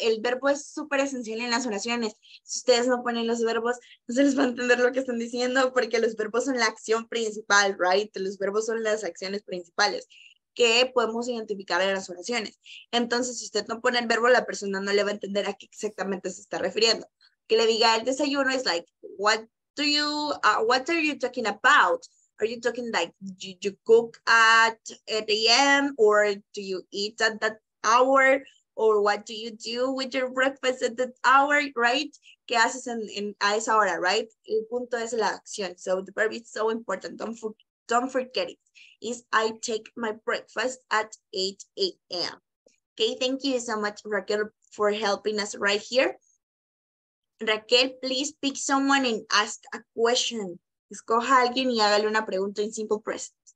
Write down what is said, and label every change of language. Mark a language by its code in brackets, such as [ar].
[es] El verbo es súper esencial en las oraciones. Si ustedes no ponen los verbos, no se les va a entender lo que están diciendo porque los verbos son la acción principal, right? Los verbos son las acciones principales que podemos identificar en las oraciones. Entonces, si usted no pone el verbo, la persona no le va a entender a qué exactamente se está refiriendo. Que le diga el desayuno es like, [en] what are you talking about? Are you talking like, do you cook at 8 a.m. or do you eat at that hour? Or what do you do with your breakfast at that hour, right? [es] ¿Qué haces en a esa hora, right? El punto es la acción. [en] So the verb is so important. Don't forget it. Is I take my breakfast at 8 a.m. Okay, thank you so much, Raquel, for helping us right here. Raquel, please pick someone and ask a question. [es] Escoja a alguien y hágale una pregunta en simple present.